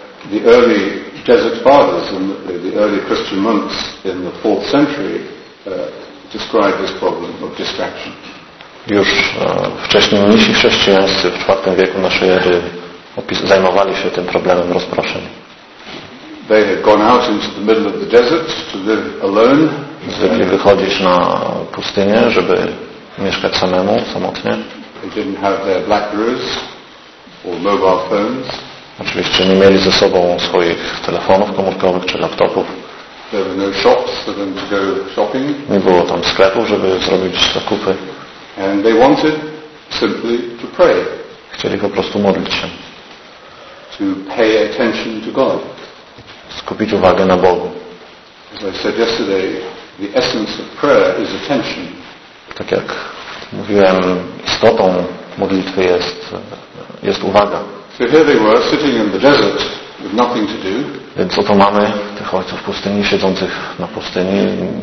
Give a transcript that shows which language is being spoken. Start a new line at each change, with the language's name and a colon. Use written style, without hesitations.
English: The early Jesuit fathers and the early Christian monks in the 4th century described this problem of distraction.
Polish: Już wcześniej mnisi chrześcijańscy w 4 wieku naszej ery zajmowali się tym problemem rozproszeń.
English: They had gone out into the middle of the desert to live alone.
Polish: Zwykli wychodzić na pustynię, żeby mieszkać samemu, samotnie.
English: They didn't have their BlackBerries or mobile phones.
Polish: Oczywiście nie mieli ze sobą swoich telefonów komórkowych czy laptopów.
English: There were no shops for them to go shopping.
Polish: Nie było tam sklepów, żeby zrobić zakupy.
English: And they wanted simply to pray.
Polish: Chcieli po prostu modlić się.
English: To pay attention to God.
Polish: Skupić uwagę na Bogu.
English: As I said yesterday, the essence of prayer is attention.
Polish: Tak jak mówiłem, istotą modlitwy jest uwaga.
English: So here they were, sitting in the desert, with nothing to do.
Polish: Więc oto mamy tych ojców pustyni, siedzących na pustyni.